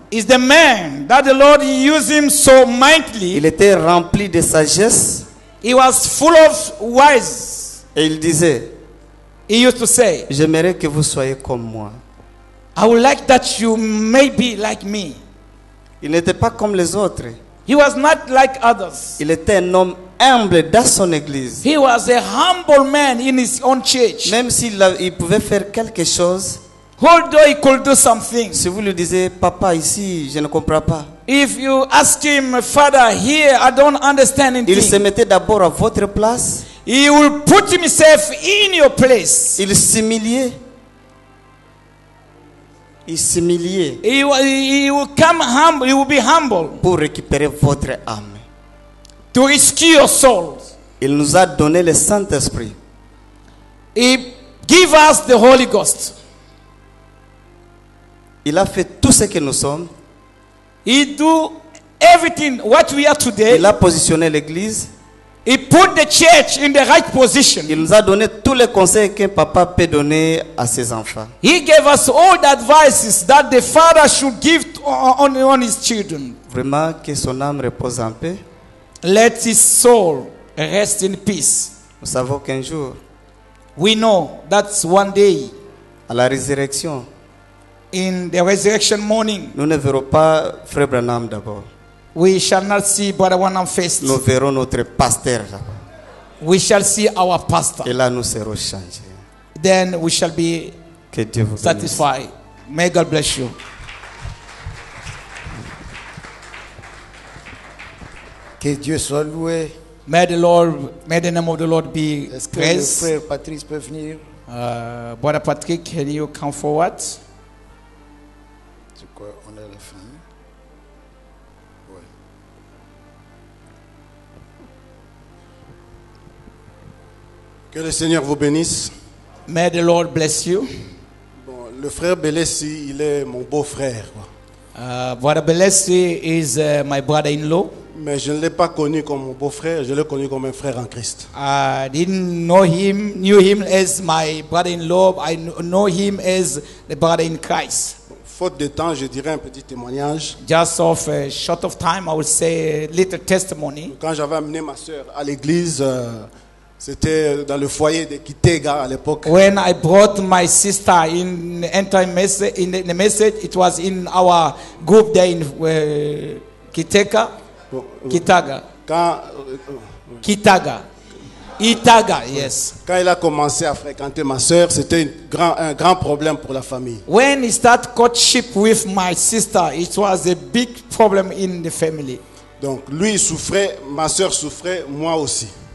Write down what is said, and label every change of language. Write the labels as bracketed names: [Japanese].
[English] Is the man that the Lord used him so mightily. [French] Il était rempli de sagesse. [English] He was full of wise. [French] Et il disait. [English] He used to say. [French] J'aimerais que vous soyez comme moi. [English] I would like that you may be like me. [French] Il n'était pas comme les autres. [English] He was not like others. [French] Il était un homme humble dans son église. [English] He was a humble man in his own church. [French] Même s'il il pouvait faire quelque chose. [English] Although he could do something. [French] Si vous lui disiez, papa ici, je ne comprends pas. [English] If you ask him, father here, I don't understand anything. [French] Il se mettait d'abord à votre place. [English] He will put himself in your place. [French] Il s'humiliait. Il s'humiliait. [English] He will come humble. He will be humble. [French] Pour récupérer votre âme. [English] To rescue your soul. [French] Il nous a donné le Saint-Esprit. [English] He give us the Holy Ghost. [French] Il a fait tout ce que nous sommes. [English] He do everything what we are today. [French] Il a positionné l'église. [English] He put the church in the right position. [French] Il nous a donné tous les conseils qu'un papa peut donner à ses enfants. [English] He gave us all the advices that the father should give on his children. [French] Vraiment, que son âme repose en paix. [English] Let his soul rest in peace. [French] Nous savons qu'un jour. [English] We know that's one day. [French] À la résurrection. [English] In the resurrection morning, [French] nous ne verrons pas Frère Branham d'abord. [English] We shall not see Brother Branham first. [French] Nous verrons notre pasteur. [English] We shall see our pastor. [French] Et là, nous serons changés. [English] Then we shall be [French] que Dieu vous [English] satisfied. [French] Bénisse. [English] May God bless you. [French] Que Dieu soit loué. [English] May the Lord, may the name of the Lord be [French] Est-ce [English] praised. [French] Est-ce que le frère Patrice peut venir? [English] Brother Patrick, can you come forward? [French] On est à la fin. Ouais. Que le Seigneur vous bénisse. [English] May the Lord bless you. [French] Bon, le frère Bellesi, il est mon beau-frère. [English] Brother Bellesi is my brother-in-law. [French] Mais je ne l'ai pas connu comme mon beau-frère. Je l'ai connu comme un frère en Christ. [English] I didn't know him, knew him as my brother-in-law. I know him as the brother in Christ. [French] Faute de temps, je dirais un petit témoignage. [English] Just of a short of time, I will say a little testimony. [French] Quand j'avais amené ma sœur à l'église, c'était dans le foyer de Kitega à l'époque. [English] When I brought my sister in entire message, in the message, it was in our group there in Kitega. Kitaga. [French] Quand [English] Kitaga. Itaga, yes. [French] Quand il a commencé à fréquenter ma sœur, c'était un grand problème pour la famille. [English] When he started courtship with my sister, it was a big problem in the family. [French] Donc lui il souffrait, ma sœur souffrait, moi aussi.